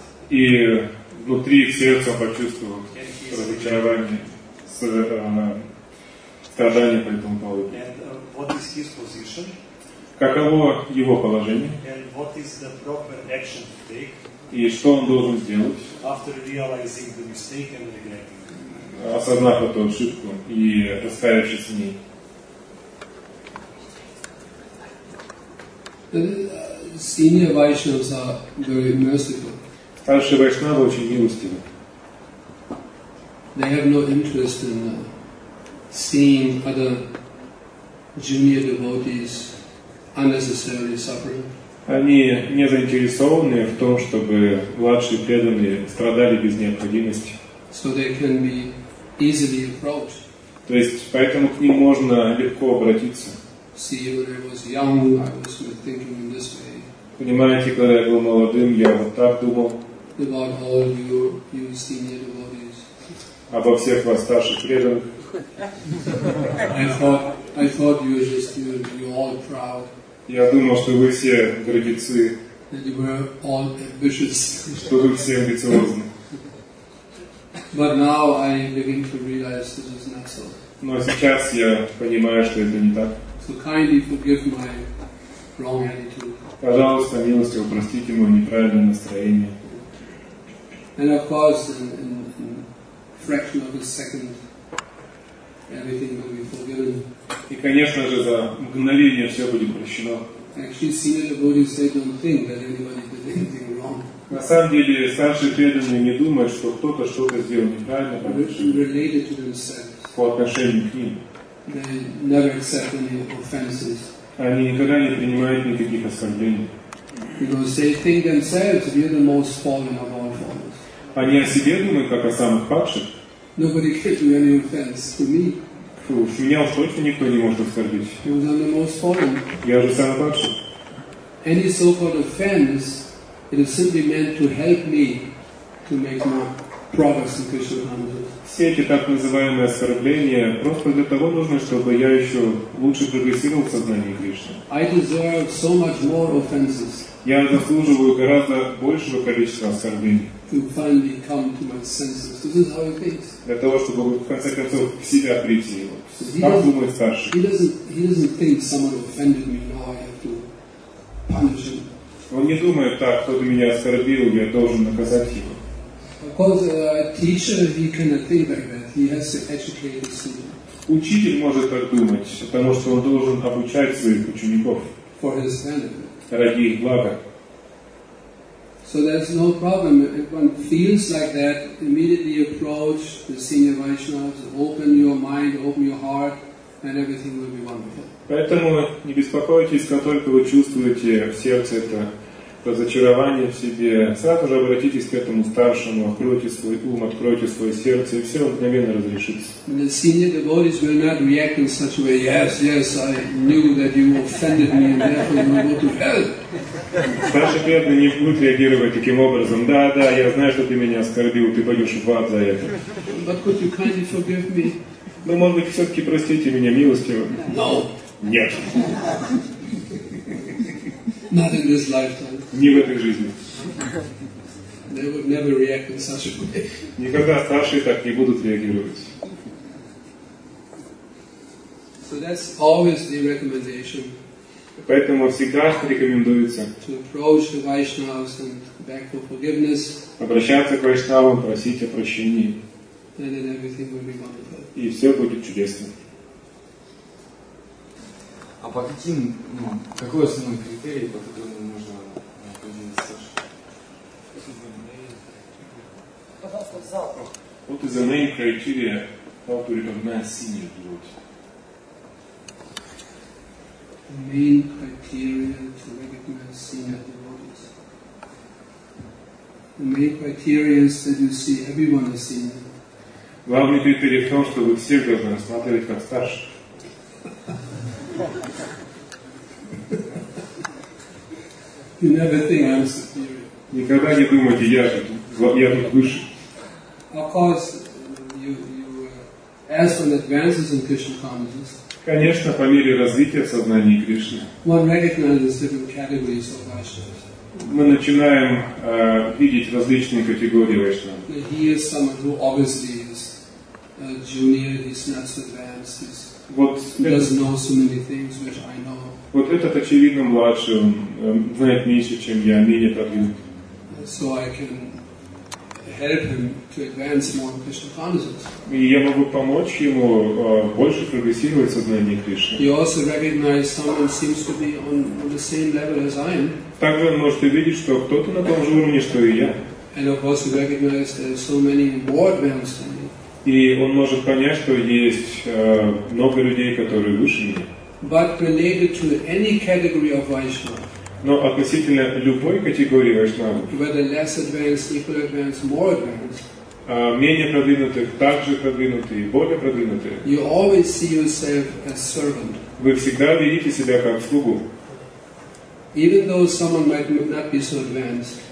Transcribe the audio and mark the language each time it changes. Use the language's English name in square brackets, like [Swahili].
[Russian] И внутри сердца почувствовал разочарование, страдание по этому поводу. [English] And, what is his position? [Russian] Каково его положение? [English] And what is the proper action to take? [Russian] И что он должен сделать? [English] After realizing the mistake and regretting. [Russian] Осознав эту ошибку и раскаявшись в ней. [English] Senior Vaishnavas are very merciful. [Russian] Старшие вайшнавы очень милостивы. [English] They have no interest in seeing other junior devotees unnecessarily suffering. [Russian] Они не заинтересованы в том, чтобы младшие преданные страдали без необходимости. [English] So they can be easily approached. [Russian] То есть поэтому к ним можно легко обратиться. [English] see when I was young, I was thinking in this way. [Russian] Понимаете, когда я был молодым, я вот так думал. [English] About all you senior devotees. [Russian] Обо всех вас старших преданных. [English] I thought you were just you all proud. [Russian] Я думал, что вы все грабицы. [English] That you were all ambitious. [Russian] Что вы все амбициозны. [English] But now I begin to realize this is not so. [Russian] Но сейчас я понимаю, что это не так. [English] So kindly forgive my wrong attitude. [Russian] Пожалуйста, милостиво простите мое неправильное настроение. [English] And of course, in fraction of a second, everything will be forgiven. [Russian] И, конечно же, за мгновение все будет прощено. [English] Actually, senior devotees don't think that anybody did anything wrong. [Russian] На самом деле, старшие преданные не думают, что кто-то что-то сделал неправильно. [English] Related to themselves. [Russian] По отношению к ним. [English] They never accept any offenses. [Russian] Они никогда не принимают никаких оскорблений. [English] Because they think themselves they're the most fallen of all fallers. [Russian] Они о себе думают как о самых падших. [English] Nobody can do any offense to me. [Russian] Уж меня уж точно никто не может оскорбить. [English] Because I'm the most fallen. [Russian] Я же самый падший. [English] Any so-called offense, it is simply meant to help me to make more progress in Krishna consciousness. [Russian] Все эти так называемые оскорбления просто для того нужны, чтобы я еще лучше прогрессировал в сознании Кришны. [English] I deserve so much more offenses. [Russian] Я заслуживаю гораздо большего количества оскорблений. [English] To finally come to my senses. This is how it is. [Russian] Для того, чтобы в конце концов в себя прийти. Так думает старший. [English] He doesn't think someone offended me, now I have to punish him. [Russian] Он не думает так, кто-то меня оскорбил, я должен наказать его. [English] Because a teacher, he cannot think like that. He has to educate the student. [Russian] Учитель может так думать, потому что он должен обучать своих учеников. [English] For his benefit. [Russian] Ради их блага. [English] So there's no problem. If one feels like that, immediately approach the senior Vaishnavas, open your mind, open your heart, and everything will be wonderful. [Russian] Поэтому не беспокойтесь, как только вы чувствуете в сердце это разочарование в себе, сразу же обратитесь к этому старшему, откройте свой ум, откройте свое сердце, и все мгновенно разрешится. [English] The senior devotees will not react in such a way, yes, I knew that you offended me, and therefore you will go to hell. [Russian] Старшие преданные не будут реагировать таким образом, да, я знаю, что ты меня оскорбил, ты пойдешь в ад за это. [English] But could you kindly forgive me? [Russian] Ну, может быть, все-таки простите меня милостиво? [English] No. [Russian] Нет. [English] Not in this lifetime. [Russian] Не в этой жизни. [English] They would never react in such a way. [Russian] Никогда старшие так не будут реагировать. [English] So that's always the recommendation. [Russian] Поэтому всегда рекомендуется [English] to approach the Vaishnavas and beg for forgiveness. [Russian] Обращаться к Вайшнавам, просить о прощении. [English] And then everything will be wonderful. [Russian] И все будет чудесно. А по каким, ну, какой основной критерий, по которому можно определить старшего? [English] What is the main criteria how to recognize senior devotee? The main criteria to recognize senior devotees. The main criteria is that you see everyone as senior. [Russian] Главный критерий в том, что вы все должны рассматривать как старших. [English] You never think I'm superior. [Russian] Никогда не думайте, я тут выше. [English] Of course, you as one advances in Krishna consciousness. [Russian] Конечно, по мере развития сознания Кришны. [English] One recognizes different categories of Vaishnavas. [Russian] Мы начинаем видеть различные категории Вайшнавов. [English] He is someone who obviously is a junior. He's not so advanced. He's [Russian] Вот [English] does know so many things which I know. [Russian] Вот этот очевидно младший, он знает меньше, чем я, менее продвинут. [English] So I can help him to advance more in Krishna consciousness. [Russian] И я могу помочь ему больше прогрессировать в сознании Кришны. [English] He also recognizes someone seems to be on the same level as I am. [Russian] Также он может увидеть, что кто-то на том же уровне, что и я. [English] And of course he recognizes there are so many more advanced than me. [Russian] И он может понять, что есть много людей, которые выше меня. [English] But related to any category of Vaishnava. [Russian] Но относительно любой категории Вайшнава. [English] Whether less advanced, equal advanced, more advanced. [Russian] менее продвинутых, также продвинутые, более продвинутые. [English] You always see yourself as servant. [Russian] Вы всегда видите себя как слугу. [English] Even though someone might not be so advanced.